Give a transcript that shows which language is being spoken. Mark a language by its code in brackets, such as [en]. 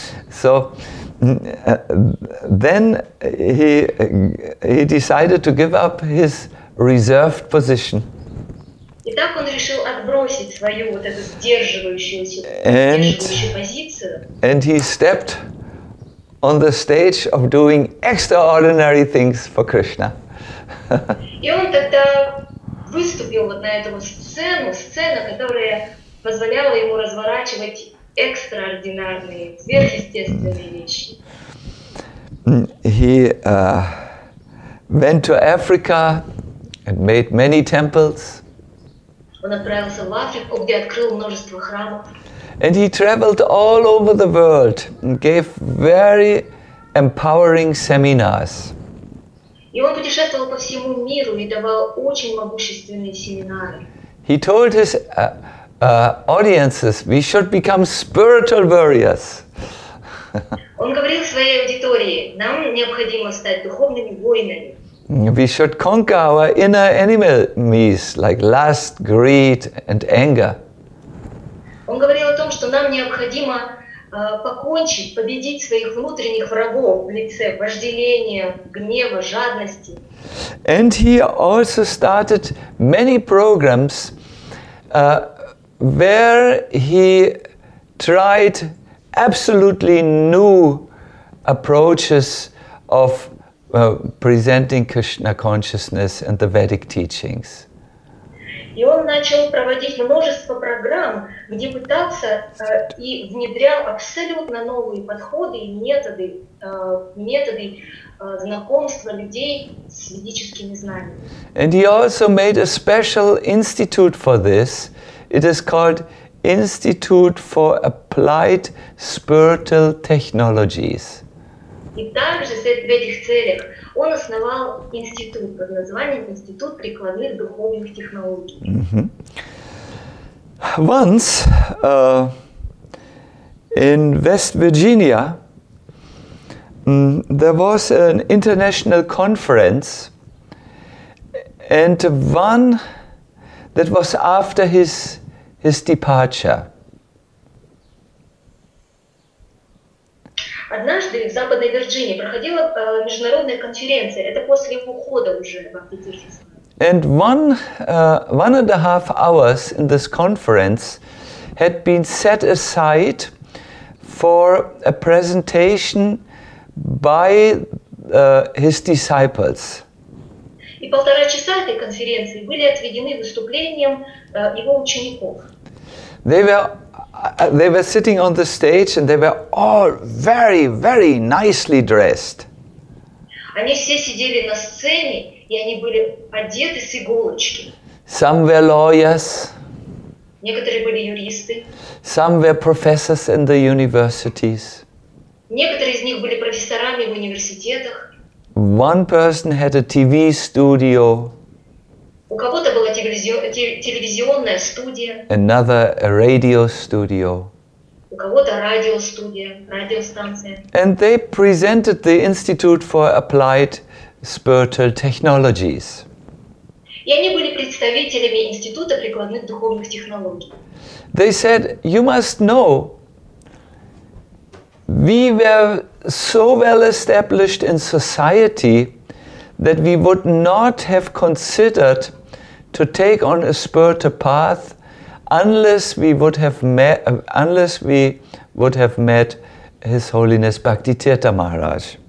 [en] So, then he decided to give up his reserved position. [ru] И так он решил отбросить свою вот эту сдерживающую позицию. [en] And he stepped on the stage of doing extraordinary things for Krishna. [ru] И он тогда выступил вот на эту сцену, которая позволяла ему разворачивать экстраординарные, сверхъестественные вещи. [en] He went to Africa and made many temples. [ru] Он отправился в Африку, где открыл множество храмов. [en] And he traveled all over the world and gave very empowering seminars. [ru] И он путешествовал по всему миру и давал очень могущественные семинары. [en] He told his audiences, we should become spiritual warriors. [ru] Он говорил своей аудитории, нам необходимо стать духовными воинами. [en] We should conquer our inner enemies like lust, greed, and anger. [ru] Он говорил о том, что нам необходимо покончить, победить своих внутренних врагов в лице вожделения, гнева, жадности. [en] And he also started many programs where he tried absolutely new approaches of presenting Krishna consciousness and the Vedic teachings. [ru] И он начал проводить множество программ, где пытался и внедрял абсолютно новые подходы и методы, методы знакомства людей с ведическими знаниями. [en] And he also made a special institute for this. It is called Institute for Applied Spiritual Technologies. [ru] И также в этих целях он основал институт под названием Институт прикладных духовных технологий. Mm-hmm. [en] Once in West Virginia there was an international conference, and one that was after his departure. [ru] Однажды в Западной Вирджинии проходила международная конференция. Это после его ухода уже. [en] And one and a half hours in this conference had been set aside for a presentation by his disciples. [ru] И полтора часа этой конференции были отведены выступлением его учеников. [en] They were sitting on the stage, and they were all very, very nicely dressed. [ru] Они все сидели на сцене, и они были одеты с иголочки. [en] Some were lawyers. [ru] Некоторые были юристы. [en] Some were professors in the universities. [ru] Некоторые из них были профессорами в университетах. [en] One person had a TV studio. [ru] У кого-то была телевизионная студия. [en] Another a radio studio. [ru] У кого-то радиостудия, радиостанция. [en] And they presented the Institute for Applied Spiritual Technologies. [ru] И они были представителями Института прикладных духовных технологий. [en] They said, "You must know, we were so well established in society that we would not have considered to take on a spiritual path unless we would have met His Holiness Bhaktisiddhanta Maharaj."